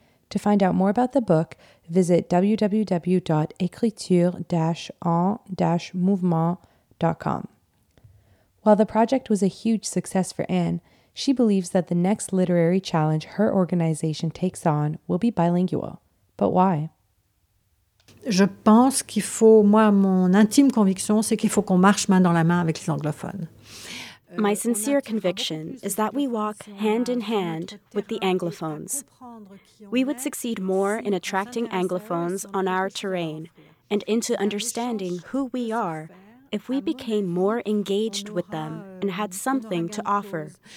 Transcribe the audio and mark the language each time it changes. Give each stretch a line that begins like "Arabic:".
English: To find out more about the book, visit www.écriture-en-mouvement.com. While the project was a huge success for Anne, she believes that the next literary challenge her organization takes on will be bilingual. But why?
French: Je pense qu'il faut, moi, mon intime conviction, c'est qu'il faut qu'on marche main dans la main avec les anglophones.
English: My sincere conviction is that we walk hand in hand with the Anglophones. We would succeed more in attracting Anglophones on our terrain and into understanding who we are if we became more engaged with them and had something to offer.